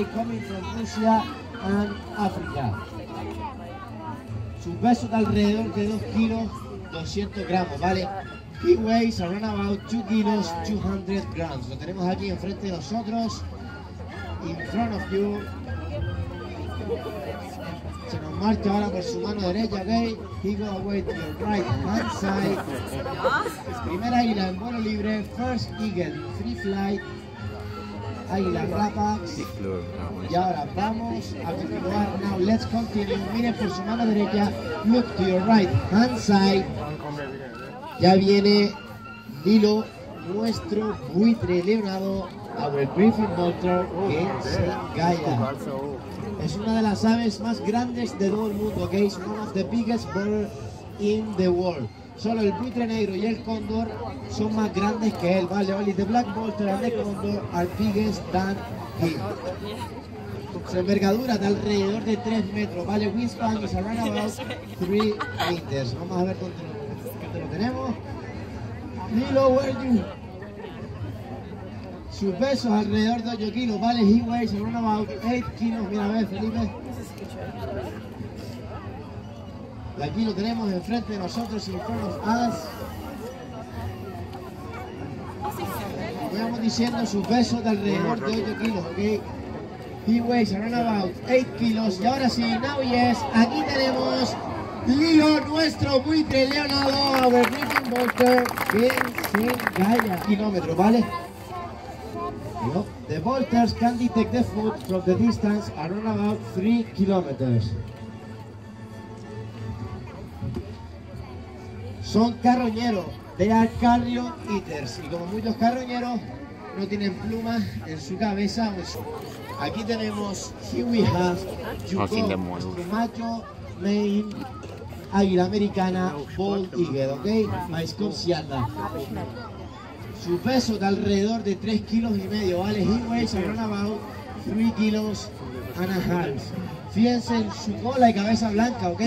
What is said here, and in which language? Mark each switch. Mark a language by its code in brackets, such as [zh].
[en] Coming from Russia and Africa. [es] Sus pesos de alrededor de 2 kilos, 200 gramos, ¿vale? [en] He weighs around about 2 kilos, 200 grams. [es] Lo tenemos aquí enfrente de nosotros. [en] In front of you. [es] Se nos marcha ahora por su mano derecha, ¿ok? [en] He goes away to your right hand side. [es] Primera águila en vuelo libre. [en] First eagle, free flight. [es] Águila Rapax. Y ahora vamos a continuar. [en] Now let's continue. [es] Mire por su mano derecha. [en] Look to your right hand side. [es] Ya viene Lilo, nuestro buitre leonado. [en] Our Griffin Vulture, [es] que es Gaia. Es una de las aves más grandes de todo el mundo, ¿ok? [en] Es one of the biggest birds in the world. [es] Solo el buitre negro y el cóndor son más grandes que él, ¿vale? [en] Only the black vulture and the cóndor are bigger than him. [es] Su envergadura de alrededor de 3 metros, ¿vale? [en] Wingspan is around about 3 meters. [es] Vamos a ver dónde lo tenemos. Lilo, [en] where are you? [es] Su peso es alrededor de 8 kilos, ¿vale? [en] He weighs around about 8 kilos. [es] Mira, a ver, Felipe. Y aquí lo tenemos enfrente de nosotros, en [en] front of us. [es] Vamos diciendo su peso de alrededor de 8 kilos, ¿ok? [en] He weighs around about 8 kilos. [es] Y ahora sí, [en] now yes, [es] aquí tenemos Lilo, nuestro buitre leonado, [en] our Griffin Vulture, [es] sin Gaia. Kilómetro, ¿vale? No. [en] The vultures can detect the food from the distance around about 3 kilometers. [es] Son carroñeros, [en] they are carrion eaters. [es] Y como muchos carroñeros, no tienen plumas en su cabeza. Aquí tenemos, [en] here we have, Yukon, [es] macho, main, águila americana, [en] bald eagle, [es] ¿ok? Maiscop Sialda. Su peso de alrededor de 3 kilos y medio, ¿vale? [en] He weighs around about 3 kilos and a half. [es] Fíjense en su cola y cabeza blanca, ¿ok?